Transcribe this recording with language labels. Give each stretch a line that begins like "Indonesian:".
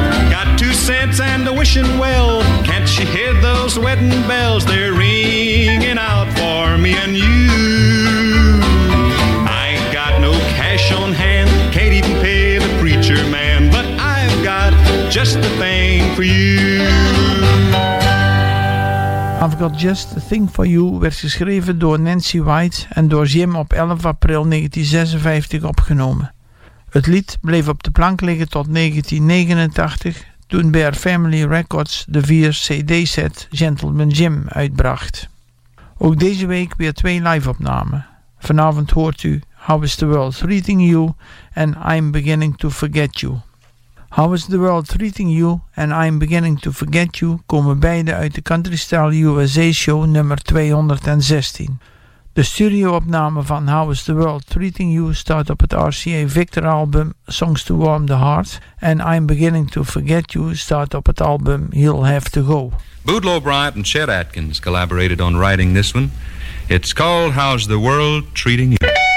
English: Got 2 cents and a wishing well. Can't you hear those wedding bells? They're ringing out for me and you. I ain't got no cash on hand. Can't even pay the preacher, man. But I've got just the thing for you.
Dutch: I've Got Just a Thing for You werd geschreven door Nancy White en door Jim op 11 april 1956 opgenomen. Het lied bleef op de plank liggen tot 1989, toen Bear Family Records de 4-cd-set Gentleman Jim uitbracht. Ook deze week weer 2 live-opnamen. Vanavond hoort u How is the World Treating You and I'm Beginning to Forget You. How is the World Treating You and I'm Beginning to Forget You komen beide uit de Country Style USA Show nummer 216. De studioopname van How is the World Treating You staat op het RCA Victor album Songs to Warm the Heart. En I'm Beginning to Forget You staat op het album He'll Have to Go.
English: Bootlow Bryant and Chet Atkins collaborated on writing this one. It's called How's the World Treating You.